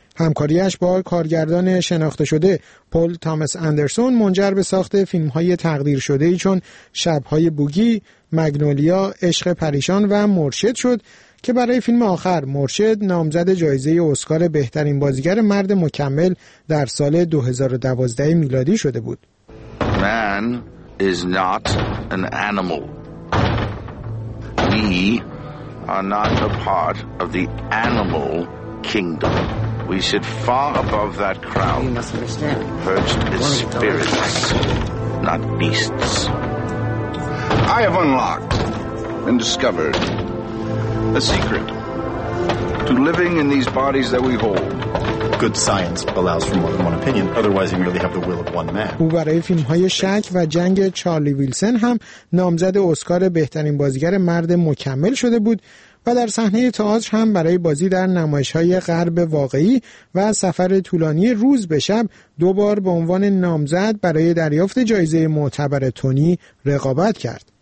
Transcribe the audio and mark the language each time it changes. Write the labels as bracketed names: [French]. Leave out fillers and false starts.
[Persian] همکاریش با کارگردان شناخته شده پل تامس اندرسون منجر به ساخت فیلم‌های تقدیر شده چون شب‌های بوگی، مگنولیا، عشق پریشان و مرشد شد که برای فیلم آخر مرشد نامزد جایزه اسکار بهترین بازیگر مرد مکمل در سال 2012 میلادی شده بود. [English] Man is not an animal. We are not a part of the animal kingdom. We sit far above that crown. You must understand. Perched as spirits, not beasts. I have unlocked and discovered a secret to living in these bodies that we hold. Good science allows for more than one opinion. Otherwise, you merely have the will of one man. [Persian] او برای فیلم‌های شک و جنگ چارلی ویلسن هم نامزد اسکار بهترین بازیگر مرد مکمل شده بود و در صحنه تئاتر هم برای بازی در نمایش‌های غرب واقعی و سفر طولانی روز به شب دوبار به عنوان نامزد برای دریافت جایزه معتبر تونی رقابت کرد.